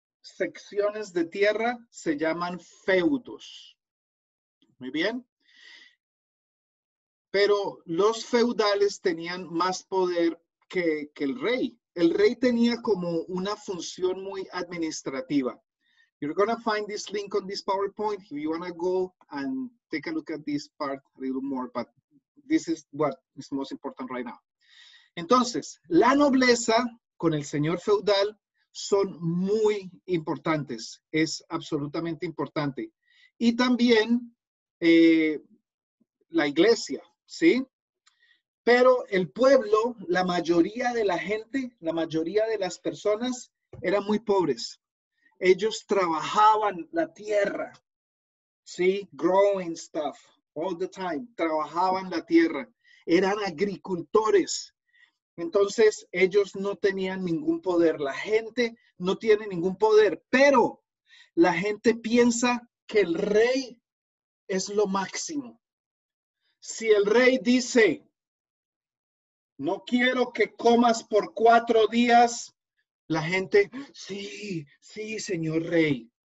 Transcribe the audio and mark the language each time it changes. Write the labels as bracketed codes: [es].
[es] secciones de tierra se llaman feudos. Muy bien. Pero los feudales tenían más poder que el rey. El rey tenía como una función muy administrativa. [en] You're going to find this link on this PowerPoint. If you want to go and take a look at this part a little more, but this is what is most important right now. [es] Entonces, la nobleza con el señor feudal son muy importantes. Es absolutamente importante. Y también la iglesia, ¿sí? Pero el pueblo, la mayoría de la gente, la mayoría de las personas eran muy pobres. Ellos trabajaban la tierra, ¿sí? [en] Growing stuff all the time. [es] Trabajaban la tierra. Eran agricultores. Entonces, ellos no tenían ningún poder. La gente no tiene ningún poder, pero la gente piensa que el rey es lo máximo. Si el rey dice, no quiero que comas por 4 días, la gente, sí, sí, señor rey.